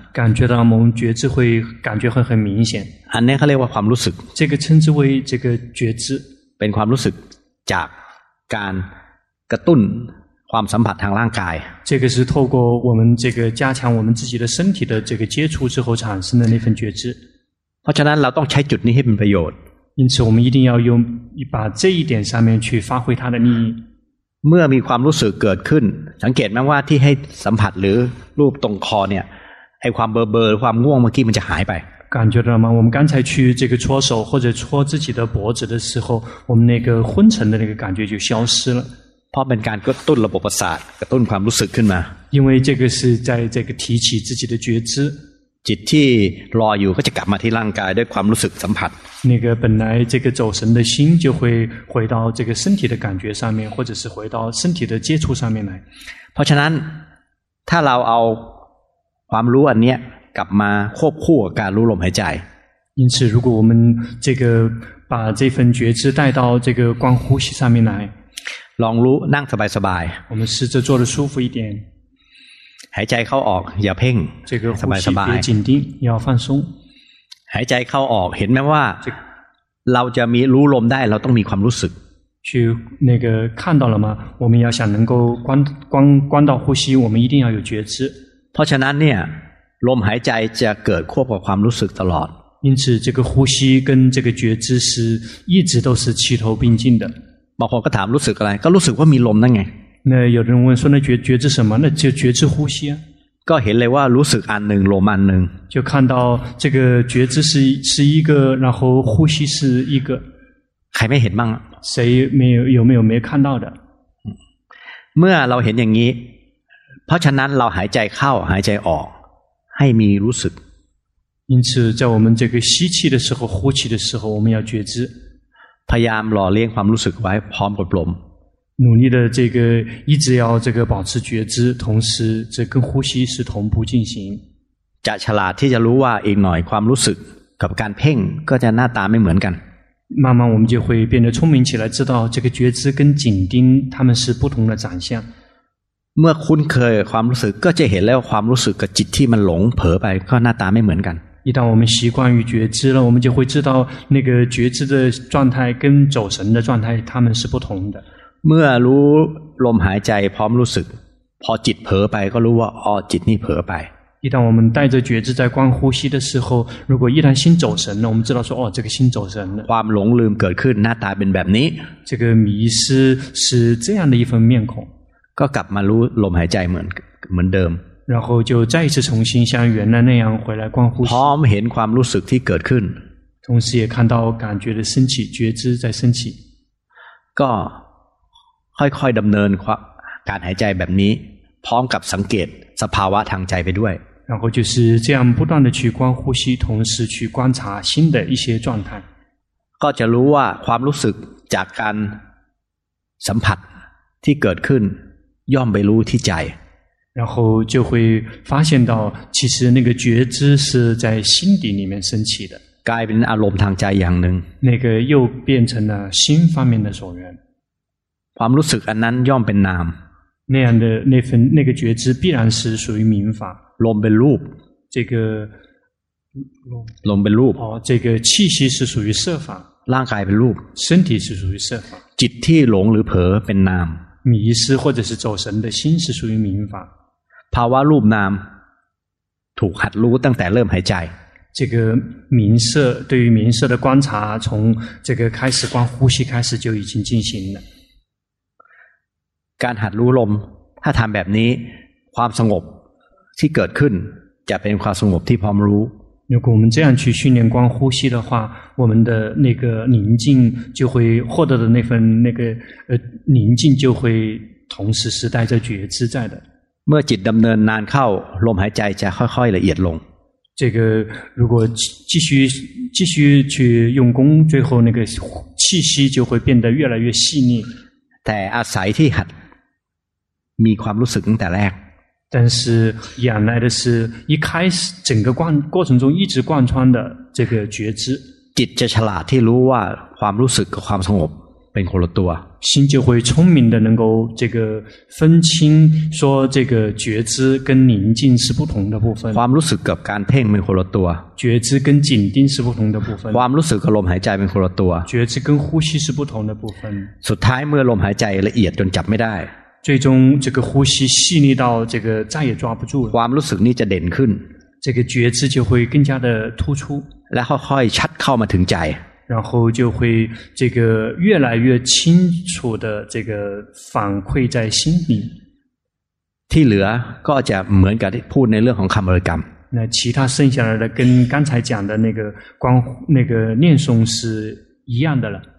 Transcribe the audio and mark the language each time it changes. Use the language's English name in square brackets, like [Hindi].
[Chinese] 感觉到我们觉知会感觉会很明显 [Thai] อันนี้เขาเรียกว่าความรู้สึก [Chinese] 这个称之为这个觉知 [Thai] เป็นความรู้สึกจากการกระตุ้นความสัมผัสทางร่างกาย [Chinese] 这个是透过我们这个加强我们自己的身体的这个接触之后产生的那份觉知 [Thai] เพราะฉะนั้นเราต้องใช้จุดนี้ให้เป็นประโยชน์ [Chinese] 因此我们一定要用把这一点上面去发挥它的利益 [Thai] เมื่อมีความรู้สึกเกิดขึ้นสังเกตไหมว่าที่ให้สัมผัสหรือรูปตรงคอเนี่ยไอ้ความเบลอๆความง่วงเมื่อกี้มันจะหายไป [Chinese] 感觉到吗我们刚才去这个搓手或者搓自己的脖子的时候我们那个昏沉的那个感觉就消失了 [Thai] เพราะเป็นการกระตุ้นระบบประสาทกระตุ้นความรู้สึกขึ้นมา [Chinese] 因为这个是在这个提起自己的觉知 [Thai] จิตที่รออยู่ก็จะกลับมาที่ร่างกายด้วยความรู้สึกสัมผัส [Chinese] 那个本来这个走神的心就会回到这个身体的感觉上面或者是回到身体的接触上面来 [Thai] เพราะฉะนั้นถ้าเราเอาความรู้อันนี้กลับมาควบคู่กับการรู้ลมหายใจ [Chinese] 因此如果我们这个把这份觉知带到这个观呼吸上面来 [Thai] ลองรู้นั่งสบาย [Chinese] ๆ我们试着坐得舒服一点 [Thai] หายใจเข้าออกอย่าเพ่งสบายสบาย จิตติ [Chinese] 要放松 [Thai] หายใจเข้าออกเห็นไหมว่าเราจะมีรู้ลมได้เราต้องมีความรู้สึก [Chinese] 去那个看到了吗我们要想能够观到呼吸我们一定要有觉知 [Thai] เพราะฉะนั้นเนี่ยลมหายใจจะเกิดควบกับความรู้สึกตลอด [Chinese] 因此这个呼吸跟这个觉知是一直都是齐头并进的 [Thai] บางคนก็ถามรู้สึกอะไรก็รู้สึกว่ามีลมนั่นไง [Chinese] 那有人问说那觉知什么那就觉知呼吸啊 [Thai] ก็เห็นเลยว่ารู้สึกอันหนึ่งลมอันหนึ่ง [Chinese] 就看到这个觉知是一个然后呼吸是一个 [Thai] ใครไม่เห็นบ้าง ใคร [Chinese] 有没有看到的 [Thai] เมื่อเราเห็นอย่างนี้เพราะฉะนั้นเราหายใจเข้าหายใจออกให้มีรู้สึก [Chinese] 因此在我们这个吸气的时候呼气的时候我们要觉知 [Thai] พยายามหล่อเลี้ยงความรู้สึกไว้พร้อมกับลม [Chinese] 努力的这个一直要这个保持觉知，同时这跟呼吸是同步进行。 [Thai] จะฉลาดที่จะรู้ว่าอีกหน่อยความรู้สึกกับการเพ่งก็จะหน้าตาไม่เหมือนกัน。 [Chinese] 慢慢我们就会变得聪明起来，知道这个觉知跟紧盯他们是不同的长相。 [Thai] เมื่อคุ้นเคยความรู้สึกก็จะเห็นแล้วความรู้สึกกับจิตที่มันหลงเผลอไปก็หน้าตาไม่เหมือนกัน。 [Chinese] 一旦我们习惯于觉知了，我们就会知道那个觉知的状态跟走神的状态，他们是不同的。 [Thai] เมื่อรู้ลมหายใจพร้อมรู้สึกพอจิตเผลอไปก็รู้ว่าอ๋อจิตนี่เผลอไป [Chinese] 一旦我们带着觉知在观呼吸的时候如果一旦心走神了我们知道说哦这个心走神了 [Thai] ความหลงลืมเกิดขึ้นหน้าตาเป็นแบบนี้ [Chinese] 这个迷失是这样的一份面孔 [Thai] ก็กลับมารู้ลมหายใจเหมือนเดิม [Chinese] 然后就再一次重新像原来那样回来观呼吸 [Thai] พร้อมเห็นความรู้สึกที่เกิดขึ้น [Chinese] 同时也看到感觉的升起觉知在升起 [Thai] ก็ค่อยๆดำเนินการหายใจแบบนี้พร้อมกับสังเกตสภาวะทางใจไปด้วย [Chinese] 然后就是这样不断的去观呼吸同时去观察心的一些状态 [Thai] ก็จะรู้ว่าความรู้สึกจากการสัมผัสที่เกิดขึ้นย่อมไปรู้ที่ใจ [Chinese] 然后就会发现到其实那个觉知是在心底里面升起的 [Thai] กลายเป็นอารมณ์ทางใจอย่างหนึ่ง [Chinese] 那个又变成了心方面的所缘 [Thai] ความรู้สึกอันนั้นย่อมเป็นนาม [Chinese] 那样的那份那个觉知必然是属于明法 [Thai] ลมเป็นรูป [Chinese] 这个 [Thai] ลมเป็นรูป [Chinese] 哦这个气息是属于色法 [Thai] ร่างกายเป็นรูป [Chinese] 身体是属于色法 [Thai] จิตที่หลงหรือเผลอเป็นนาม [Chinese] 迷失或者是走神的心是属于明法 [Thai] ภาวะรูปนามถูกหัดรู้ตั้งแต่เริ่มหายใจ [Chinese] 这个明色对于明色的观察从这个开始观呼吸开始就已经进行了 [Thai] การหัดรู้ลมถ้าทำแบบนี้ความสงบที่เกิดขึ้นจะเป็นความสงบที่พร้อมรู้ [Chinese] 如果我们这样去训练观呼吸的话，我们的那个宁静就会获得的那份那个宁静就会同时是带着觉知在的。 [Thai] เมื่อจิตดำเนินนานเข้าลมหายใจจะค่อยๆละเอียดลง [Chinese] 这个如果继续去用功，最后那个气息就会变得越来越细腻。 [Thai] แต่อาศัยที่หัดมีความรู้สึกตั้งแต่แรก [Chinese] 但是原来的是一开始整个过程中一直贯穿的这个觉知。 [Thai] จิตจะฉลาดที่รู้ว่าความรู้สึกกับความสงบเป็นคนละตัว。 [Chinese] 心就会聪明的能够这个分清说这个觉知跟宁静是不同的部分。 [Thai] ความรู้สึกกับการเพ่งเป็นคนละตัว。 [Chinese] 觉知跟紧盯是不同的部分。 [Thai] ความรู้สึกกับลมหายใจเป็นคนละตัว。 [Chinese] 觉知跟呼吸是不同的部分。 [Thai] สุดท้ายเมื่อลมหายใจละเอียดจนจับไม่ได้ [Chinese] 最终这个呼吸细腻到这个再也抓不住了。 [Thai] ความรู้สึกนี้จะเด่นขึ้น。 [Chinese] 这个觉知就会更加的突出。 [Thai] แล้วค่อยๆชัดเข้ามาถึงใจ。 [Chinese] 然后就会这个越来越清楚的这个反馈在心里。 [Thai] ที่เหลือก็จะเหมือนกับพูดในเรื่องของคำบริกรรม。 [Chinese] 那其他剩下来的跟刚才讲的那个光那个念诵是一样的了。